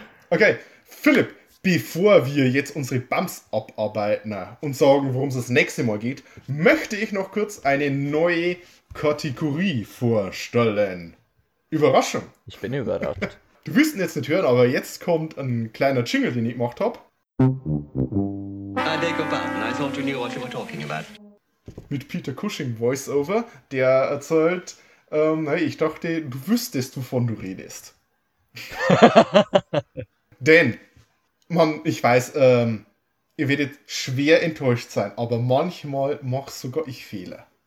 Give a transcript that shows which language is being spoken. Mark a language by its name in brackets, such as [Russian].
[German] Okay, Philipp, bevor wir jetzt unsere Bums abarbeiten und sagen, worum es das nächste Mal geht, möchte ich noch kurz eine neue Kategorie vorstellen. Überraschung. Ich bin überrascht. Du wirst ihn jetzt nicht hören, aber jetzt kommt ein kleiner Jingle, den ich gemacht habe. [English] I beg your pardon, I thought you knew what you were talking about. [German] Mit Peter Cushing Voice-Over, der erzählt, hey, ich dachte, du wüsstest, wovon du redest. Denn, Mann, ich weiß, ihr werdet schwer enttäuscht sein, aber manchmal mache sogar ich Fehler.